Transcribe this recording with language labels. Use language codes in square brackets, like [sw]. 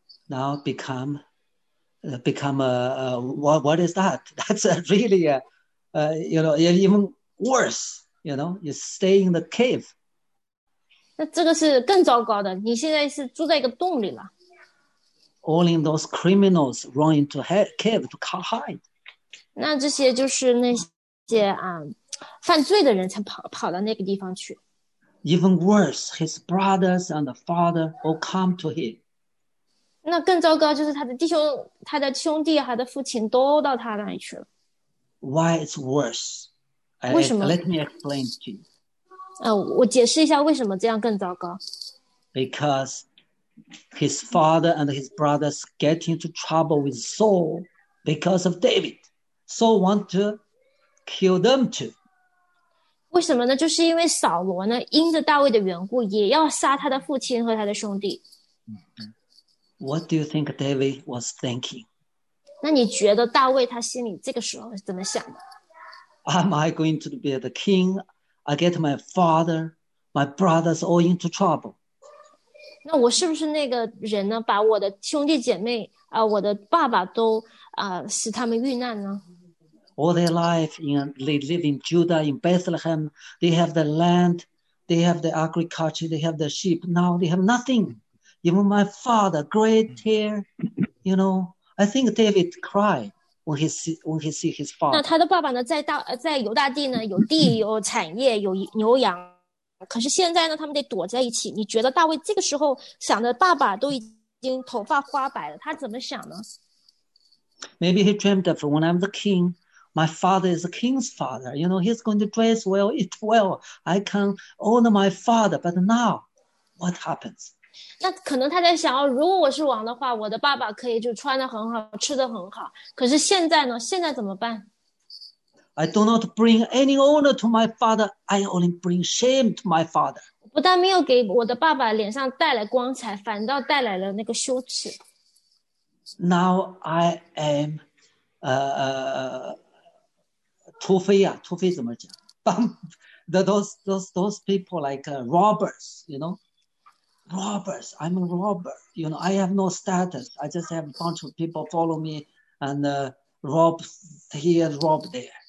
[en] Now become, become a, what is that? That's a really, you know, even worse. You know, you stay in the cave. [zh] 那这个是更糟糕的，你现在是住在一个洞里了。 [en] All in those criminals run into cave to hide. [zh] 那这些就是那些啊。犯罪的人才 跑到那个地方去。 [en] Even worse, his brothers and the father all come to him. [zh] 那更糟糕就是他的弟兄、他的兄弟、他的父亲都到他那里去了。 [en] Why it's worse? [zh] 为什么？ [en] Let me explain to you. [zh] 我解释一下为什么这样更糟糕。 [en] Because his father and his brothers get into trouble with Saul because of David. Saul want to kill them too. [zh] 为什么呢？就是因为扫罗呢，因着大卫的缘故，也要杀他的父亲和他的兄弟。 [en] What do you think David was thinking? [zh] 那你觉得大卫他心里这个时候是怎么想的？ [en] Am I going to be the king? I get my father, my brothers all into trouble. [zh] 那我是不是那个人呢？把我的兄弟姐妹我的爸爸都使他们遇难呢？ [en] All their life, in, they live in Judah, in Bethlehem. They have the land, they have the agriculture, they have the sheep. Now they have nothing. Even my father, great hair, you know. I think David cried when he see his father. [zh] 那他的爸爸呢，在犹大地呢，有地，有产业，有牛羊。可是现在呢，他们得躲在一起。你觉得大卫这个时候想着爸爸都已经头发花白了，他怎么想呢？ [en] Maybe he dreamed of when I'm the king. My father is the king's father. You know, he's going to dress well, eat well. I can own my father. But now, what happens? [zh] 那可能他在想，如果我是王的话，我的爸爸可以就穿得很好，吃得很好。可是现在呢？现在怎么办？ [en] I do not bring any honor to my father. I only bring shame to my father. [zh] 不但没有给我的爸爸脸上带来光彩，反倒带来了那个羞耻。 [en] Now I am, Tufiya, Tufiya [zh] 怎么讲 [en] those people like robbers, you know? Robbers, I'm a robber. You know, I have no status. I just have a bunch of people follow me and rob here, rob there.